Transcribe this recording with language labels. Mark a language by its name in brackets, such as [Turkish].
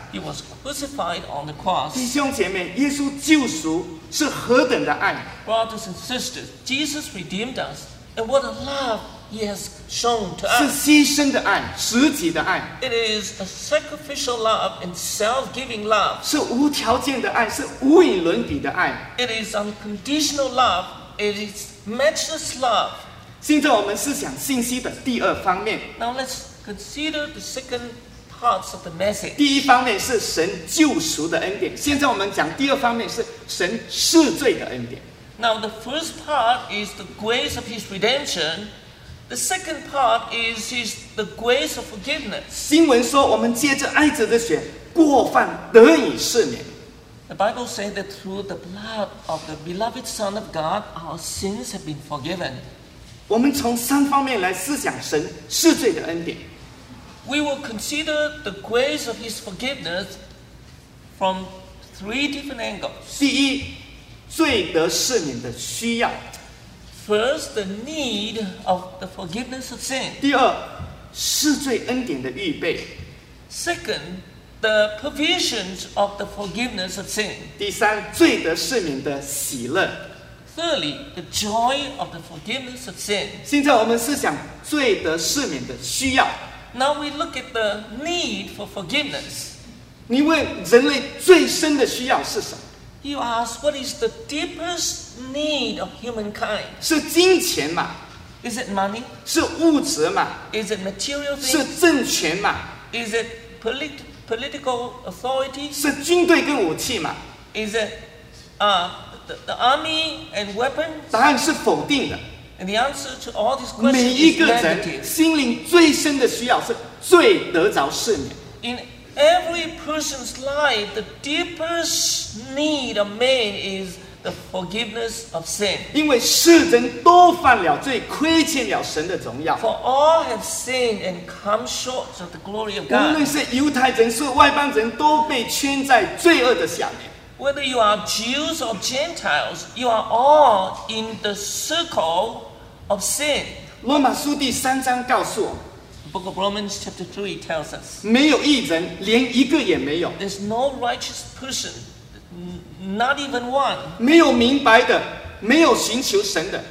[English] He was crucified on the cross. [Chinese] 弟兄姐妹，耶稣救赎是何等的爱 [English] ！Brothers and sisters, Jesus redeemed us, and what a love He has shown to us. [Chinese] 是牺牲的爱，舍己的爱。 [English] It is a sacrificial love and self-giving love. [Chinese] 是无条件的爱，是无与伦比的爱。 [English] It is unconditional love. It is matchless love. [Chinese] 现在我们思想信息的第二方面。 [English] Now let's consider the second. Parts of the message. [Chinese] 第一方面是神救赎的恩典。现在我们讲第二方面是神赦罪的恩典。 [English] Now the first part is the grace of His redemption. The second part is His the grace of forgiveness. [Chinese] 新闻说我们借着爱子的血，过犯得以赦免。 [English] The Bible says that through the blood of the beloved Son of God, our sins have been forgiven. [Chinese] 我们从三方面来思想神赦罪的恩典。 [English] We will consider the grace of His forgiveness from three different angles. [Chinese] 第一，罪得赦免的需要。 [English] First, the need of the forgiveness of sin. [Chinese] 第二，赦罪恩典的预备。 [English] Second, the provisions of the forgiveness of sin. [Chinese] 第三，罪得赦免的喜乐。 [English] Thirdly, the joy of the forgiveness of sin. [Chinese] 现在我们思想罪得赦免的需要。 [English] Now we look at the need for forgiveness. [Chinese] 你问人类最深的需要是什么？ [English] You ask, what is the deepest need of humankind? [Chinese] 是金钱吗？ [English] Is it money? [Chinese] 是物质吗？ [English] Is it material things? [Chinese] 是政权吗？ [English] Is it political authority? [Chinese] 是军队跟武器吗？ [English] Is it the army and weapons? [Chinese] 答案是否定的。 [English] And the answer to all these questions is negative. [Chinese] 每一个人心灵最深的需要是罪得着赦免。 [English] In every person's life, the deepest need of man is the forgiveness of sin. [Chinese] 因为世人都犯了罪，亏欠了神的荣耀。 [English] For all have sinned and come short of the glory of God. [Chinese] 无论是犹太人，是外邦人，都被圈在罪恶的下面。 [English] Whether you are Jews or Gentiles, you are all in the circle of sin. [Chinese] 罗马书第三章告诉我 [English] Book of Romans chapter 3 tells us. [Chinese] 没有义人，连一个也没有 [English] There's no righteous person, not even one. [Chinese] 没有明白的，没有寻求神的